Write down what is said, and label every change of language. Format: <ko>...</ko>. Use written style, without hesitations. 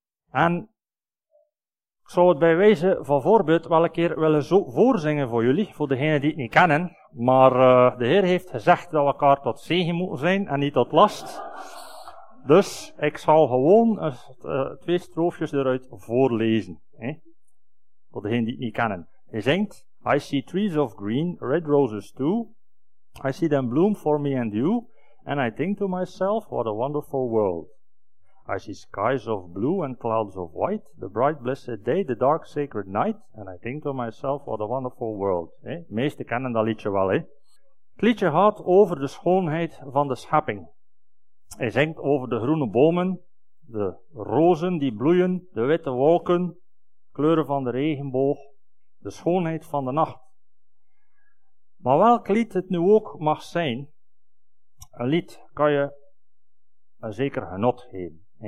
<nl>En ik zou het bij wijze van voorbeeld wel een keer willen zo voorzingen voor jullie, voor degenen die het niet kennen. Maar de Heer heeft gezegd dat we elkaar tot zegen moeten zijn en niet tot last. Dus ik zal gewoon twee stroofjes eruit voorlezen. Hè? Voor degenen die het niet kennen. Hij zingt,</nl> <en>I see trees of green, red roses too. I see them bloom for me and you. And I think to myself, what a wonderful world. I see skies of blue and clouds of white. The bright blessed day, the dark sacred night. And I think to myself, what a wonderful world.</en> <nl>Hè? De meesten kennen dat liedje wel. Hè? Het liedje gaat over de schoonheid van de schepping. Hij zingt over de groene bomen, de rozen die bloeien, de witte wolken, kleuren van de regenboog, de schoonheid van de nacht. Maar welk lied het nu ook mag zijn, een lied kan je een zeker genot geven.</nl>